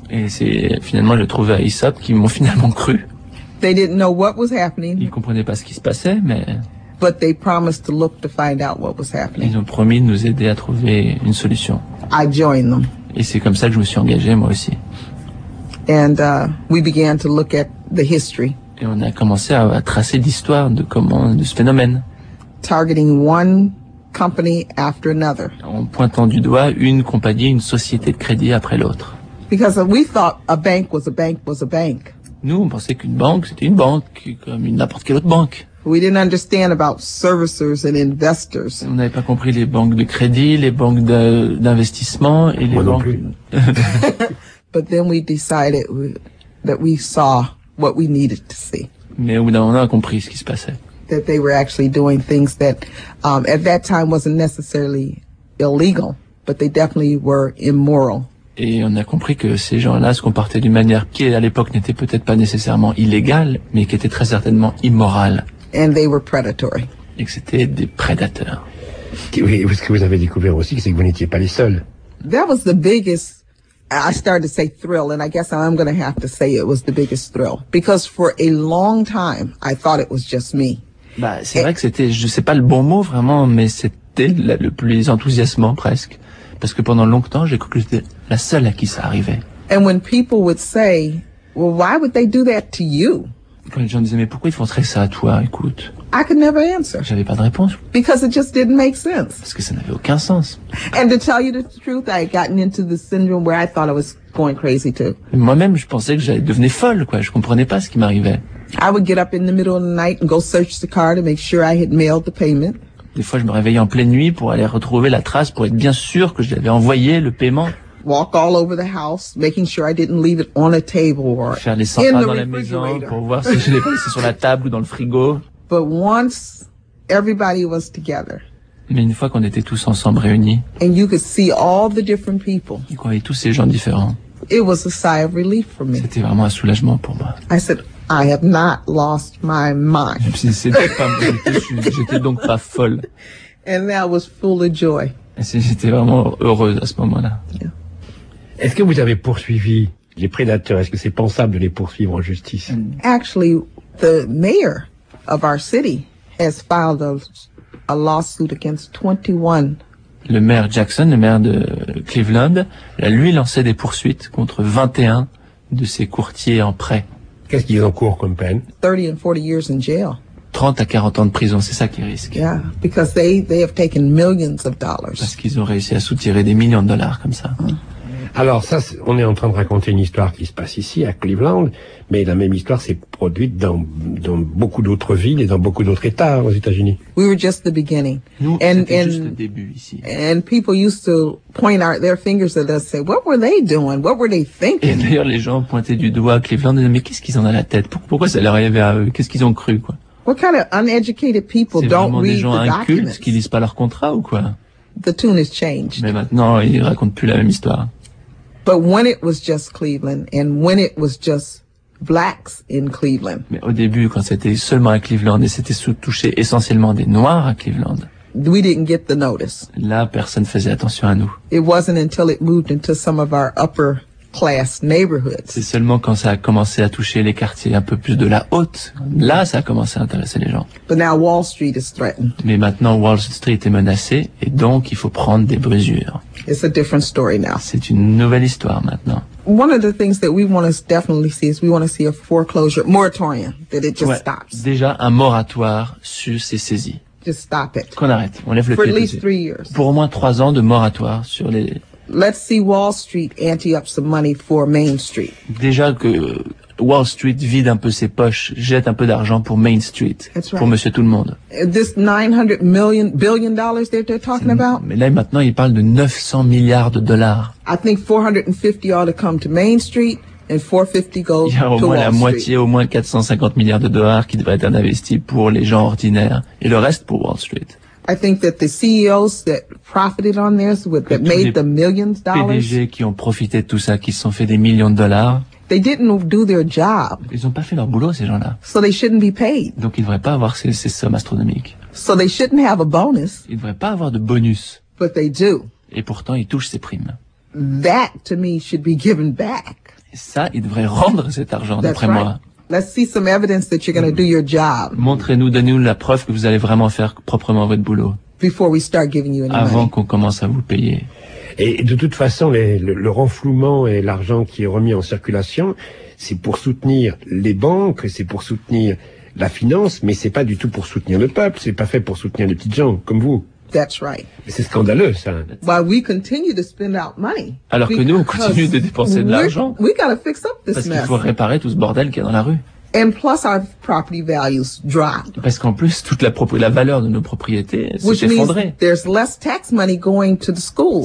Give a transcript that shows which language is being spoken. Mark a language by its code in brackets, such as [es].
[fr] Et c'est finalement j'ai trouvé à ESOP qui m'ont finalement cru. [en] They didn't know what was happening. [fr] Ils comprenaient pas ce qui se passait, mais. [en] But they promised to look to find out what was happening. [fr] Ils ont promis de nous aider à trouver une solution. [en] I joined them. [fr] Et c'est comme ça que je me suis engagé moi aussi. [en] And we began to look at the history. [fr] Et on a commencé à tracer l'histoire de comment de ce phénomène. [en] Targeting one company after another. [fr] En pointant du doigt une compagnie, une société de crédit après l'autre. [en] Because we thought a bank was a bank was a bank. [fr] Nous, on pensait qu'une banque, c'était une banque, comme n'importe quelle autre banque. [en] We didn't understand about servicers and investors. [fr] On n'avait pas compris les banques de crédit, les banques d'investissement et les banques. [en] But then we decided that we saw what we needed to see. [fr] Mais au bout d'un moment, on a compris ce qui se passait. [en] That they were actually doing things that, at that time, wasn't necessarily illegal, but they definitely were immoral. [fr] Et on a compris que ces gens-là se comportaient d'une manière qui, à l'époque, n'était peut-être pas nécessairement illégale, mais qui était très certainement immorale. [en] And they were predatory. [fr] Et que c'était des prédateurs. Oui, ce que vous avez découvert aussi, c'est que vous n'étiez pas les seuls. [en] That was the biggest, I started to say thrill, and I guess I'm going to have to say it was the biggest thrill. Because for a long time, I thought it was just me. [fr] Bah, c'est vrai que c'était, je ne sais pas le bon mot vraiment, mais c'était le plus enthousiasmant presque. Parce que pendant longtemps, j'ai cru que j'étais la seule à qui ça arrivait. [en] And when people would say, well, why would they do that to you? [fr] Quand les gens disaient, mais pourquoi ils feraient ça à toi, écoute? [en] I could never answer. [fr] J'avais pas de réponse. [en] Because it just didn't make sense. [fr] Parce que ça n'avait aucun sens. [en] And to tell you the truth, I had gotten into the syndrome where I thought I was going crazy too. [fr] Moi-même, je pensais que j'allais devenir folle, quoi. Je comprenais pas ce qui m'arrivait. [en] I would get up in the middle of the night and go search the car to make sure I had mailed the payment. [fr] Des fois, je me réveillais en pleine nuit pour aller retrouver la trace, pour être bien sûr que j'avais envoyé le paiement. [en] Walk all over the house, making sure I didn't leave it on a table or [fr] faire les 100 pas dans la maison pour voir si je l'ai passé sur la table ou dans le frigo. [en] But once everybody was together. [fr] Mais une fois qu'on était tous ensemble réunis. [en] And you could see all the different people. [fr] Et qu'on voyait tous ces gens différents. [en] It was a sigh of relief for me. [fr] C'était vraiment un soulagement pour moi. [en] I said, I have not lost my mind. [fr] J'étais donc pas folle. [en] And that was full of joy. [fr] J'étais vraiment heureuse à ce moment-là. [en] Yeah. [fr] Est-ce que vous avez poursuivi les prédateurs? Est-ce que c'est pensable de les poursuivre en justice? [en] Actually, the mayor of our city has filed a lawsuit against 21. [fr] Le maire Jackson, le maire de Cleveland, a lui lancé des poursuites contre 21 de ses courtiers en prêt. Qu'est-ce qu'ils encourent comme peine? [en] 30 and 40 years in jail. [fr] 30 à 40 ans de prison, c'est ça qui risque. [en] Yeah, because they have taken millions of dollars. [fr] Parce qu'ils ont réussi à soutirer des millions de dollars comme ça. Alors ça, on est en train de raconter une histoire qui se passe ici à Cleveland, mais la même histoire s'est produite dans beaucoup d'autres villes et dans beaucoup d'autres États aux États-Unis. [en] We were just the beginning. [fr] Nous, c'était juste le début ici. [en] And people used to point their fingers at us, say, what were they doing? What were they thinking? [fr] Et d'ailleurs, les gens pointaient du doigt à Cleveland et disaient, mais qu'est-ce qu'ils ont dans la tête? Pourquoi ça leur arrivait à eux? Qu'est-ce qu'ils ont cru, quoi? [en] What kind of uneducated people don't read the documents? [fr] C'est vraiment des gens incultes qui lisent pas leur contrat ou quoi? [en] The tune has changed. [fr] Mais maintenant, ils racontent plus la même histoire. [en] But when it was just Cleveland, and when it was just blacks in Cleveland. [fr] Mais au début, quand c'était seulement à Cleveland, et c'était sous touché essentiellement des noirs à Cleveland. [en] We didn't get the notice. [fr] Là, personne faisait attention à nous. [en] It wasn't until it moved into some of our upper class neighborhoods. [fr] C'est seulement quand ça a commencé à toucher les quartiers un peu plus de la haute. Là, ça a commencé à intéresser les gens. [en] But now Wall Street is threatened. [fr] Mais maintenant, Wall Street est menacée, et donc il faut prendre des mesures. [en] It's a different story now. [fr] C'est une nouvelle histoire maintenant. [en] One of the things that we want to definitely see is we want to see a foreclosure moratorium that it just stops. [fr] Déjà un moratoire sur ces saisies. [en] Just stop it. [fr] Qu'on arrête. On lève le pied. [en] For at least 3 years. [fr] Pour au moins 3 ans de moratoire sur les. [en] Let's see Wall Street ante up some money for Main Street. [fr] Déjà que Wall Street vide un peu ses poches, jette un peu d'argent pour Main Street, [en] right. [fr] Pour Monsieur Tout-le-Monde. [en] This 900 million, billion dollars that they're talking about. [fr] Mais là, maintenant, ils parlent de 900 milliards de dollars. [en] I think 450 ought to come to Main Street and 450 go to Wall Street. [fr] Il y a au moins la moitié, au moins 450 milliards de dollars qui devraient être investis pour les gens ordinaires et le reste pour Wall Street. [en] I think that the CEOs that profited on this, that made the millions dollars. [fr] Les PDG qui ont profité de tout ça, qui se sont fait des millions de dollars. [en] They didn't do their job. [fr] Ils ont pas fait leur boulot, ces gens-là. [en] So they shouldn't be paid. [fr] Donc ils devraient pas avoir ces sommes astronomiques. [en] So they shouldn't have a bonus. [fr] Ils devraient pas avoir de bonus. [en] But they do. [fr] Et pourtant, ils touchent ces primes. [en] That to me should be given back. [fr] Et ça, ils devraient rendre cet argent, d'après [en] right. [fr] moi. [en] Let's see some evidence that you're going to do your job. [fr] Montrez-nous, donnez-nous la preuve que vous allez vraiment faire proprement votre boulot. [en] Before we start giving you any [fr] avant [en] money. [fr] Avant qu'on commence à vous payer. Et de toute façon, le renflouement et l'argent qui est remis en circulation, c'est pour soutenir les banques, c'est pour soutenir la finance, mais c'est pas du tout pour soutenir le peuple, c'est pas fait pour soutenir les petites gens comme vous. [en] That's right. [fr] Mais c'est scandaleux, ça. [en] While we continue to spend out money. [fr] Alors que nous, on continue de dépenser de l'argent. [en] We gotta fix up this mess. [fr] Parce qu'il faut réparer tout ce bordel qu'il y a dans la rue. [en] And plus our property values drop. [fr] Parce qu'en plus, toute la valeur de nos propriétés s'est effondrée. [en] There's less tax money going to the schools.